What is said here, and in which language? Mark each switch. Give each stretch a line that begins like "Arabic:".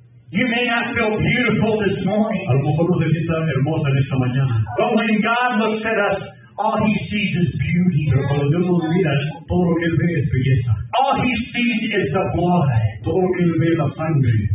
English: You may not feel beautiful this morning.
Spanish: A lo mejor no se sienta hermosa en esta mañana.
English: But when God looks at us, all he sees is beauty.
Spanish: Pero cuando Dios nos mira, todo lo que él ve es belleza.
English: All he sees is the blood.
Spanish: Todo lo que él ve es la sangre.